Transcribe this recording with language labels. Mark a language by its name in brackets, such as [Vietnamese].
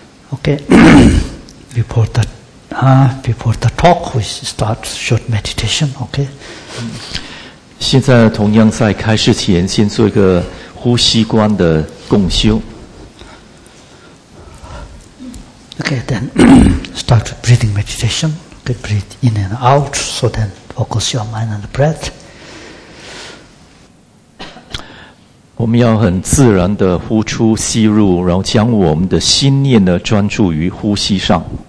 [English] Okay, before the talk, we start short meditation. Okay. [Chinese] 现在同样在开始前，先做一个呼吸观的共修。 [English] Okay, then start with breathing meditation. Okay, breathe in and out. So then, focus your mind on the breath. [Chinese] 我们要很自然的呼出吸入，然后将我们的心念呢专注于呼吸上。